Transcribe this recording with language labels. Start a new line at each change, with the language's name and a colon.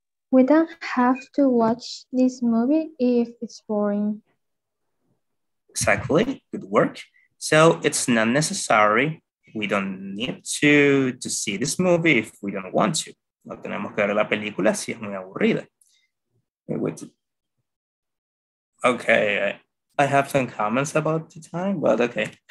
English: We don't have to watch this movie if it's boring. Exactly. Good work. So it's not necessary. We don't need to see this movie if we don't want to.
Spanish: No tenemos que ver la película si es muy aburrida.
English: Okay, I have some comments about the time, but okay.